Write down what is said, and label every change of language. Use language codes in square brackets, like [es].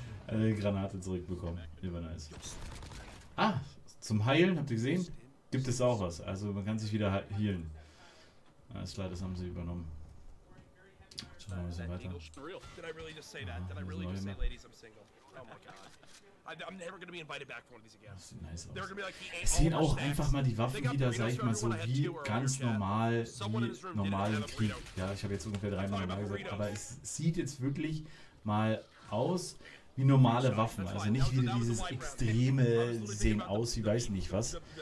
[de] Alle Granate zurückbekommen. Über nice. Ah, zum Heilen, habt ihr gesehen? Gibt es auch was. Also man kann sich wieder healen. Alles klar, das haben sie übernommen. Schauen wir mal ein bisschen weiter. [en] Did I really just say that? Did I really just say, ladies, I'm single? Oh my God. I'm never gonna be invited back for one of these again. [de] Das sieht nice aus. [en] They're gonna be like, he ain't [de] sehen auch [en] stacks. [de] Einfach mal die Waffen wieder, sag ich mal so, wie ganz normal, wie normalen Krieg. Ja, ich habe jetzt ungefähr dreimal normal gesagt, aber es sieht jetzt wirklich mal aus wie normale Waffen. Also nicht wieder dieses extreme sehen aus, wie weiß nicht was.